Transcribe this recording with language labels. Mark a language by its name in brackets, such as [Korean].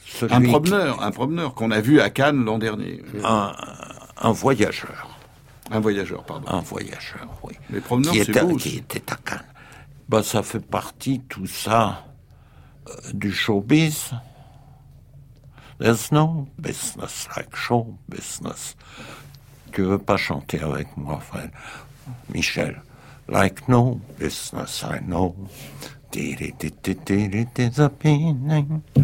[French] Un promeneur qu'on a vu à Cannes l'an dernier. Un voyageur, pardon. Un voyageur, oui. Les promeneurs, c'est vous. Qui était à Cannes. Ben, ça fait partie, tout ça, du showbiz. [English] There's no business like show business. [French] Tu veux pas chanter avec moi, frère Michel? [English] Like no business, I know. Disappearing.